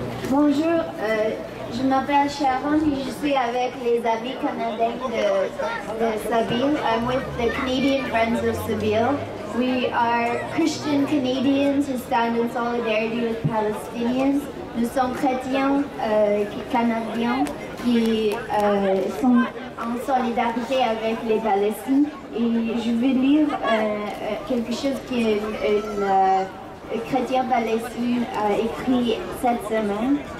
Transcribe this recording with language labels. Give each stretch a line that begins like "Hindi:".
French: Bonjour, je m'appelle Sharon et je suis avec les amis canadiens de Sabine.
English: I'm with the Canadian Friends of Sabine. We are Christian Canadians who stand in solidarity with Palestinians.
French: Nous sommes chrétiens canadiens qui sont en solidarité avec les Palestiniens. Et je vais lire quelque chose qu'un chrétien palestinien a écrit cette semaine.